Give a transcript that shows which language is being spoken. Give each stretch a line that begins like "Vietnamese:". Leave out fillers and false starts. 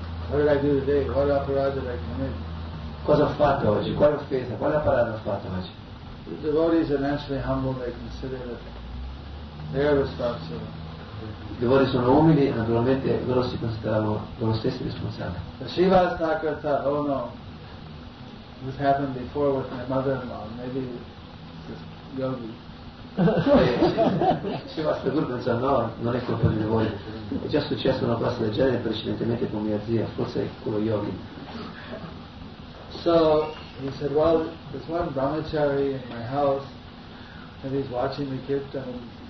English: What did I do today? What apparatus did I commit?
Italian: Cosa ho fatto oggi? Quale offesa? Quale apparatus ho fatto oggi?
English: The devotees are naturally humble. They consider that they are responsible.
Italian: I devoti sono umili e naturalmente loro si consideravano loro stessi responsabili.
English: But Shiva Thakur thought, oh no, this happened before with my mother-in-law, maybe it's just yogi.
Italian: Shiva Thakur pensa, no, non è colpa di voi, è già successo una cosa del genere precedentemente con mia zia, forse è quello yogi.
English: So he said, well, there's one brahmachari in my house and he's watching the kirtan.